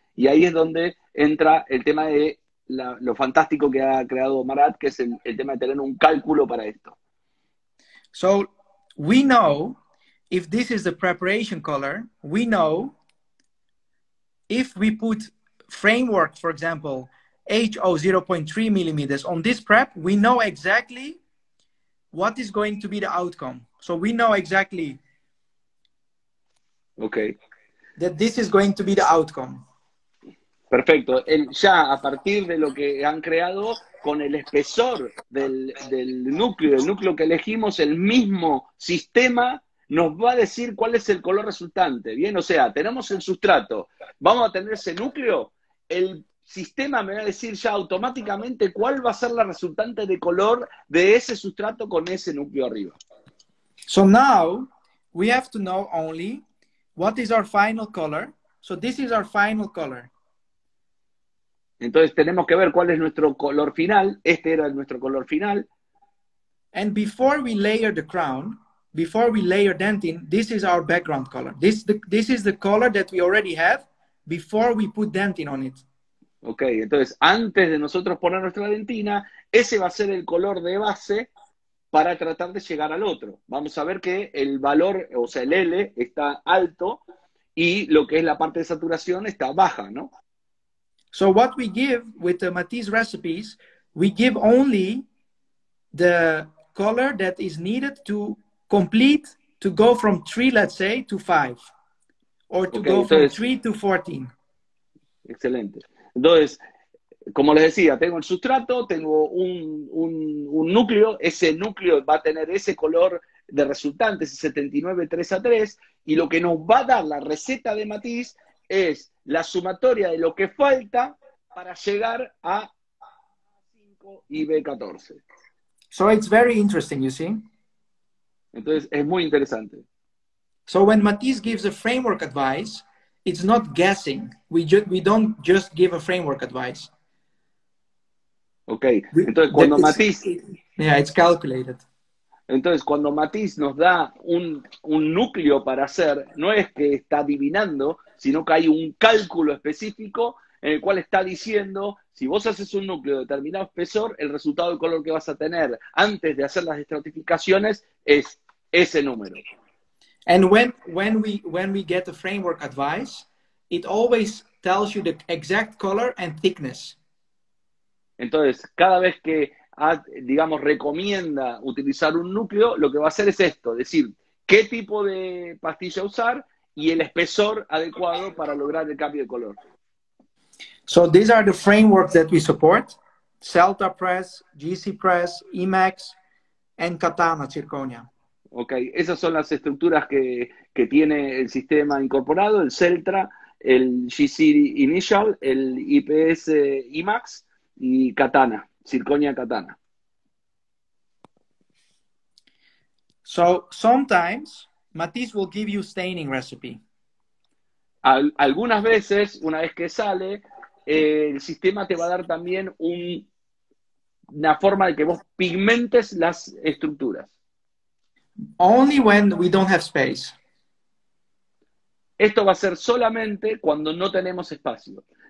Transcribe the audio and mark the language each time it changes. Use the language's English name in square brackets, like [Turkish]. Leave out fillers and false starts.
[Spanish] Y ahí es donde entra el tema de lo fantástico que ha creado Marat, que es el tema de tener un cálculo para esto. [English] So, we know... If this is the preparation color, we know if we put framework, for example, HO 0.3 millimeters on this prep, we know exactly what is going to be the outcome. So we know exactly that this is going to be the outcome. [Spanish] Perfecto. Ya a partir de lo que han creado con el espesor del núcleo que elegimos, el mismo sistema nos va a decir cuál es el color resultante, ¿bien? O sea, tenemos el sustrato, vamos a tener ese núcleo, el sistema me va a decir ya automáticamente cuál va a ser la resultante de color de ese sustrato con ese núcleo arriba. [English] So now, we have to know only what is our final color. So this is our final color. [Spanish] Entonces tenemos que ver cuál es nuestro color final. Este era nuestro color final. [English] And before we layer the crown... Before we layer dentin, this is our background color. This is the color that we already have before we put dentin on it. [Spanish] Okay, entonces antes de nosotros poner nuestra dentina, ese va a ser el color de base para tratar de llegar al otro. Vamos a ver que el valor, o sea, el L está alto y lo que es la parte de saturación está baja, ¿no? [English] So what we give with the Matisse recipes, we give only the color that is needed to complete, to go from 3, let's say, to 5. or to okay, go [Spanish] entonces, [English] from 3 to 14. [Spanish] Excelente. Entonces, como les decía, tengo el sustrato, tengo un núcleo, ese núcleo va a tener ese color de resultante, ese 79:3:3, y lo que nos va a dar la receta de matiz es la sumatoria de lo que falta para llegar a 5 y B14. [English] So it's very interesting, you see. [Spanish] Entonces, es muy interesante. [English] So when Matisse gives a framework advice, it's not guessing. We don't just give a framework advice. [Spanish] Okay. Entonces, cuando Matisse... [English] Yeah, it's calculated. [Spanish] Entonces, cuando Matisse nos da un núcleo para hacer, no es que está adivinando, sino que hay un cálculo específico en el cual está diciendo, si vos haces un núcleo de determinado espesor, el resultado de color que vas a tener antes de hacer las estratificaciones es ese número. [English] And when we get the framework advice, it always tells you the exact color and thickness. [Spanish] Entonces, cada vez que, digamos, recomienda utilizar un núcleo, lo que va a hacer es esto, decir, qué tipo de pastilla usar y el espesor adecuado para lograr el cambio de color. [English] So these are the frameworks that we support: Celta Press, GC Press, Emax, and Katana Zirconia. [Spanish] Okay, esas son las estructuras que tiene el sistema incorporado: el Celta, el GC Initial, el IPS Emax y Katana, Zirconia Katana. [English] So sometimes Matisse will give you staining recipe. [Spanish] Algunas veces, una vez que sale, el sistema te va a dar también una forma de que vos pigmentes las estructuras. [English] Only when we don't have space. [Spanish] Esto va a ser solamente cuando no tenemos espacio.